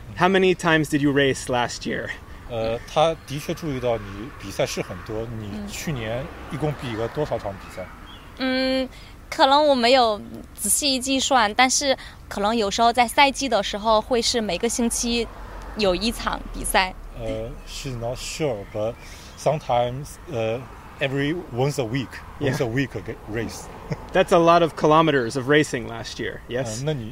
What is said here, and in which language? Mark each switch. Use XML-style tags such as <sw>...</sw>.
<en>How many times did you race last year?</en> <zh>他的确注意到你比赛是很多，你去年一共比了多少场比赛？可能我没有仔细计算，但是可能有时候在赛季的时候会是每个星期有一场比赛。</zh> <en>She's not sure, but sometimes once a week race. That's a lot of kilometers of racing last year, yes?</en>